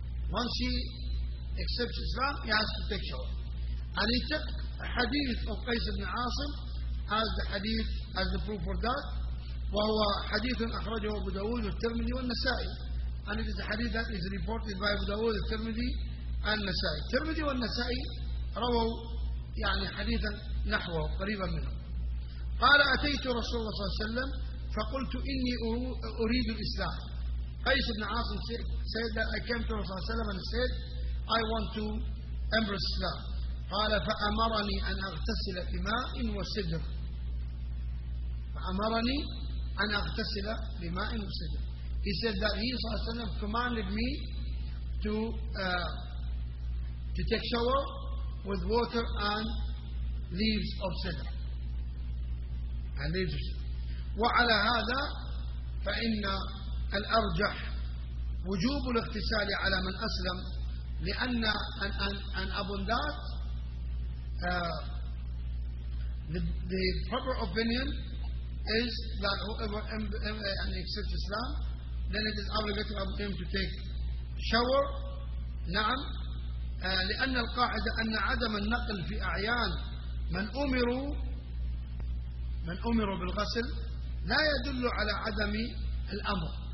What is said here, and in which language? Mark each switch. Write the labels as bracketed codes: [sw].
[en] Once he accepts Islam, he has to take shower. And he took a hadith of Qais ibn Asim as the hadith, as the proof for that. [ar] وهو حديث أخرجه أبو داود والترمذي والنسائي. [en] And it is a hadith that is reported by Abu Dawood, al-Tirmidhi, and Nasa'i. [ar] Tirmidhi and Nasa'i rawu يعني حديثا نحوه قريبا منه. قال أتيت رسول الله صلى الله عليه وسلم فقلت إني أريد الإسلام. [en] Qais ibn Asim said that I came to Rasulullah صلى الله عليه وسلم and said I want to embrace Islam. [ar] قال فأمرني أن أغتسل في ماء وسدر. فأمرني أن أغتسل في ماء وسدر. [en] He said that he صلى الله عليه وسلم commanded me to take shower with water and leaves of cedar. And leaves of cedar. [ar] وعلى هذا فإن الأرجح وجوب الاغتسال على من أسلم لأن [en] an upon that the proper opinion is that whoever accepts Islam then it is obligatory upon him to take shower. [ar] نعم لأن القاعدة أن عدم النقل في أعيان من أمروا بالغسل لا يدل على عدم الأمر.